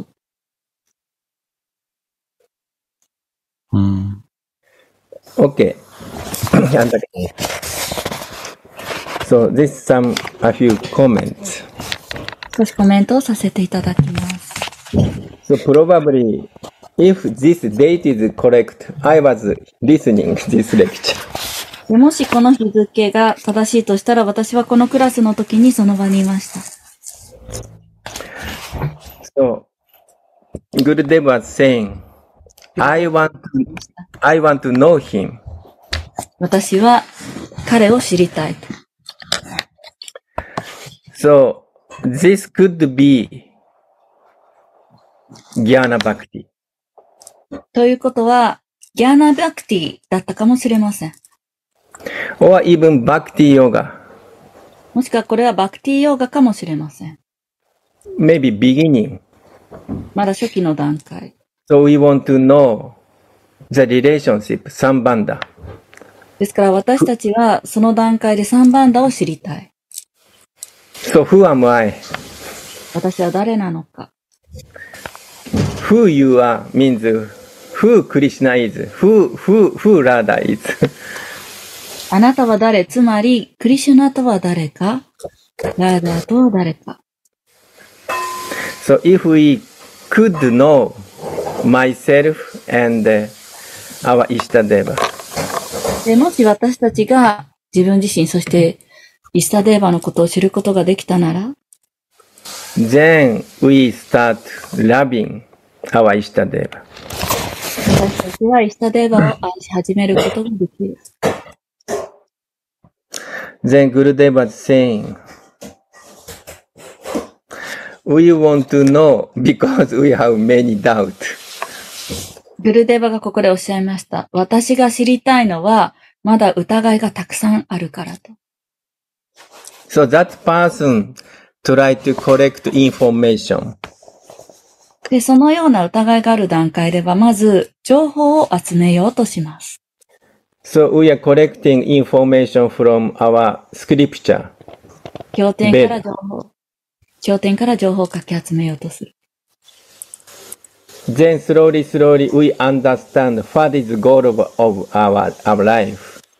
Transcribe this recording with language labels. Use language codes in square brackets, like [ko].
[en] うん。 Okay. So this some a few comments. [ja] 少しコメントをさせていただきます。 [en] So probably, if this date is correct, I was listening this lecture. [ja] もしこの日付が正しいとしたら、私はこのクラスの時にその場にいました。 [en] So, Gurudev was saying, I want to know him. [ja] 私は彼を知りたい。 [en] So,This could be Jnana Bhakti. [ja] ということは、Jnana Bhakti だったかもしれません。 [en] Or even Bhakti Yoga. [ja] もしくはこれは Bhakti Yoga かもしれません。 [en] Maybe beginning. [ja] まだ初期の段階。 [en] So we want to know the relationship, Sambandha. [ja] ですから私たちはその段階で Sambandha を知りたい。 [en] So who am I? [ja] 私は誰なのか。 [en] Who you are means who Krishna is, who Radha is. [ja] あなたは誰、つまり、クリシュナとは誰か、ラーダーとは誰か。 [en] So if we could know myself and our Ishtadeva. [ja] もし私たちが自分自身、そしてイスタデーバのことを知ることができたなら、 [en] Then we start loving our Ishtadeva. [ja] 私たちはイスタデーバを愛し始めることができる。 [en] Then Gurudeva is saying, we want to know because we have many doubts. [ja] Gurudeva がここでおっしゃいました。私が知りたいのは、まだ疑いがたくさんあるからと。 [en] So that person tried to collect information. [ja] で、そのような疑いがある段階では、まず情報を集めようとします。 [en] So we are collecting information from our scripture. [ja] 経典から情報。経典から情報をかき集めようとする。 [en] Then slowly, slowly we understand what is the goal of our life.